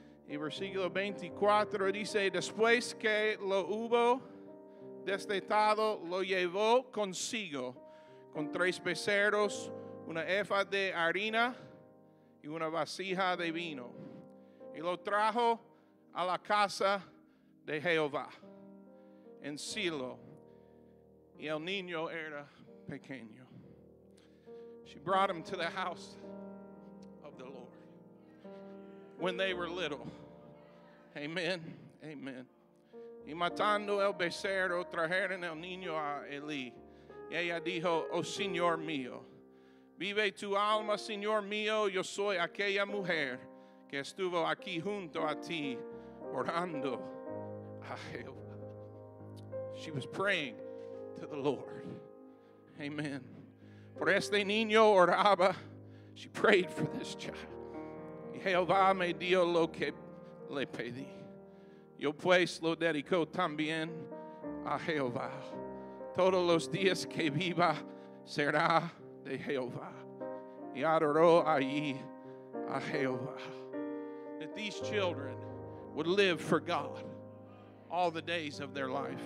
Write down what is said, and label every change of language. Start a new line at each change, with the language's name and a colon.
Spanish: Y versículo 24 dice, después que lo hubo destetado, lo llevó consigo con tres becerros, una efa de harina y una vasija de vino. Y lo trajo a la casa de Jehová en Silo, y el niño era pequeño.
English: She brought him to the house of the Lord when they were little. Amen, amen.
Spanish: Y matando el becerro, trajeron el niño a Eli, y ella dijo, oh Señor mío, vive tu alma, Señor mío, yo soy aquella mujer que estuvo aquí junto a ti orando.
English: She was praying to the Lord. Amen.
Spanish: Por este niño oraba.
English: She prayed for this child.
Spanish: Y Jehová me dio lo que le pedí. Yo pues lo dedico también a Jehová. Todos los días que viva será de Jehová. Y adoró allí a Jehová.
English: That these children would live for God all the days of their life.